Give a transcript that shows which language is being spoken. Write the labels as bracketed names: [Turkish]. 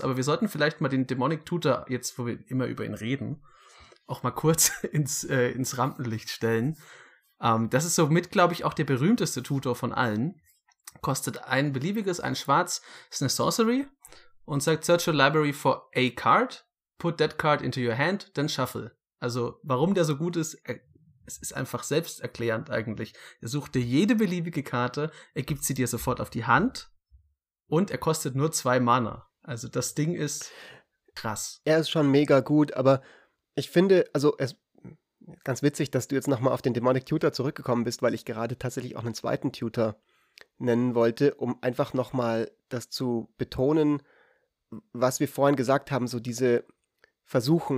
[German] Aber wir sollten vielleicht mal den Demonic Tutor, jetzt wo wir immer über ihn reden, auch mal kurz ins Rampenlicht stellen. Das ist somit, glaube ich, auch der berühmteste Tutor von allen. Kostet ein beliebiges, ein schwarz, ist eine Sorcery und sagt: [English] Search your library for a card. Put that card into your hand, then shuffle. [German] Also, warum der so gut ist, es ist einfach selbsterklärend eigentlich. Er sucht dir jede beliebige Karte, er gibt sie dir sofort auf die Hand und er kostet nur 2 Mana. Also, das Ding ist krass. Er ist schon mega gut, aber ich finde, also, es ist ganz witzig, dass du jetzt nochmal auf den Demonic Tutor zurückgekommen bist, weil ich gerade tatsächlich auch einen zweiten Tutor nennen wollte, um einfach nochmal das zu betonen, was wir vorhin gesagt haben, so diese Versuchung.